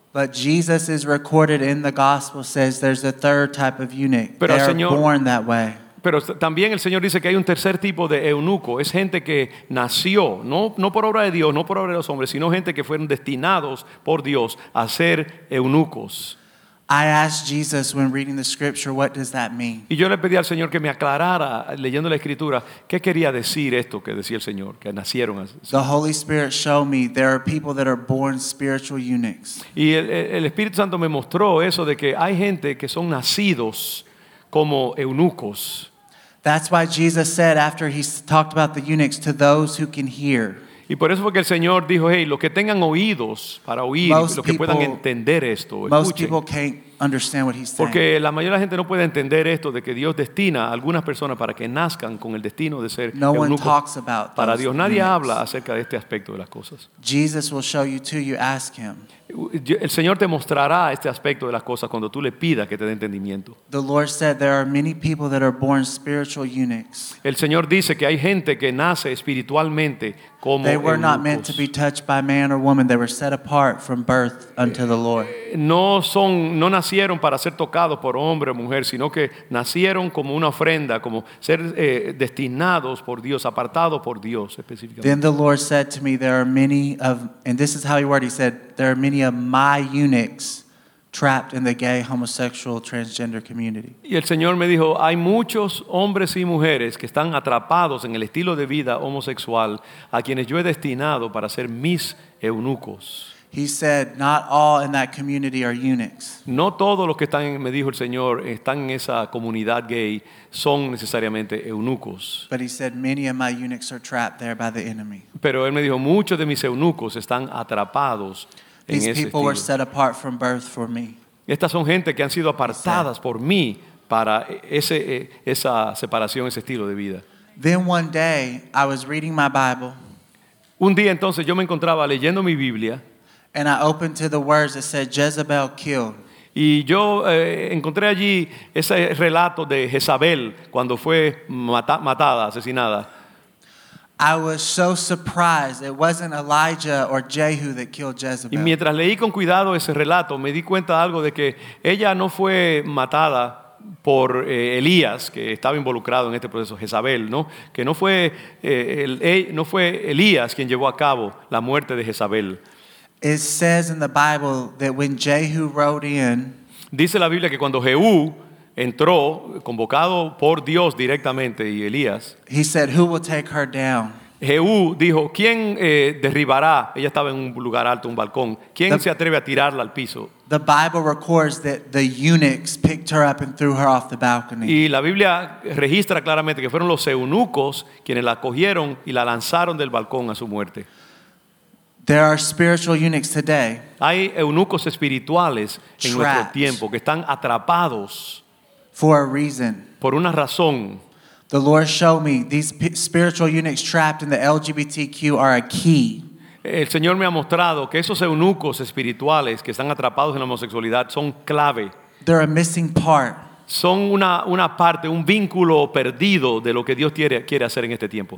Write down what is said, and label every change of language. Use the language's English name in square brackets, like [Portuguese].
[English] But Jesus is recorded in the gospel says there's a third type of eunuch. They are born that way. [Spanish] Pero también el Señor dice que hay un tercer tipo de eunuco, es gente que nació, no por obra de Dios, no por obra de los hombres, sino gente que fueron destinados por Dios a ser eunucos. [English] I asked Jesus when reading the scripture, what does that mean? [Spanish] Y yo le pedí al Señor que me aclarara leyendo la escritura, ¿qué quería decir esto que decía el Señor, que nacieron así? [English] The Holy Spirit showed me there are people that are born spiritual eunuchs. [Spanish] Y el Espíritu Santo me mostró eso de que hay gente que son nacidos como eunucos. [English] That's why Jesus said after he talked about the eunuchs to those who can hear. [Spanish] Y por eso fue que el Señor dijo, hey, los que tengan oídos para oír, los que puedan entender esto, escuchen. Porque la mayoría de la gente no puede entender esto, de que Dios destina a algunas personas para que nazcan con el destino de ser eunucos para Dios. Nadie habla acerca de este aspecto de las cosas. [English] Jesus will show you too, you ask him. [Spanish] El Señor te mostrará este aspecto de las cosas cuando tú le pidas que te dé entendimiento. [English] The Lord said there are many people that are born spiritual eunuchs. [Spanish] El Señor dice que hay gente que nace espiritualmente como eunucos. [English] They were not meant to be touched by man or woman. They were set apart from birth unto the Lord. [Spanish] No nacieron para ser tocados por hombre o mujer, sino que nacieron como una ofrenda, como ser destinados por Dios, apartados por Dios específicamente. [English] Then the Lord said to me, there are many of, and this is how he said, there are many of my eunuchs trapped in the gay, homosexual, transgender community. [Spanish] Y el Señor me dijo, hay muchos hombres y mujeres que están atrapados en el estilo de vida homosexual a quienes yo he destinado para ser mis eunucos. [English] He said, not all in that community are eunuchs. [Spanish] No todos los que están, me dijo el Señor, están en esa comunidad gay, son necesariamente eunucos. [English] But he said, many of my eunuchs are trapped there by the enemy. [Spanish] Pero él me dijo, muchos de mis eunucos están atrapados en ese estilo. [English] These people were set apart from birth for me. [Spanish] Estas son gente que han sido apartadas said, por mí para esa separación, ese estilo de vida. [English] Then one day, I was reading my Bible. [Spanish] Un día entonces yo me encontraba leyendo mi Biblia. [English] And I opened to the words that said Jezebel killed. [Spanish] Y yo encontré allí ese relato de Jezabel cuando fue matada, asesinada. [English] I was so surprised. It wasn't Elijah or Jehu that killed Jezebel. [Spanish] Y mientras leí con cuidado ese relato, me di cuenta de algo, de que ella no fue matada por Elías, que estaba involucrado en este proceso, Jezabel, ¿no? Que no fue no fue Elías quien llevó a cabo la muerte de Jezabel. [English] It says in the Bible that when Jehu rode in, [Spanish] dice la Biblia que cuando Jehú entró, convocado por Dios directamente, y Elías, [English] he said, "Who will take her down?" [Spanish] Jehú dijo, ¿quién derribará? Ella estaba en un lugar alto, un balcón. ¿Quién se atreve a tirarla al piso? [English] The Bible records that the eunuchs picked her up and threw her off the balcony. [Spanish] Y la Biblia registra claramente que fueron los eunucos quienes la cogieron y la lanzaron del balcón a su muerte. [English] There are spiritual eunuchs today. [Spanish] Hay eunucos espirituales en nuestro tiempo que están atrapados. [English] For a reason. [Spanish] Por una razón. [English] The Lord showed me these spiritual eunuchs trapped in the LGBTQ are a key. [Spanish] El Señor me ha mostrado que esos eunucos espirituales que están atrapados en la homosexualidad son clave. [English] They're a missing part. [Spanish] Son una parte, un vínculo perdido de lo que Dios quiere hacer en este tiempo.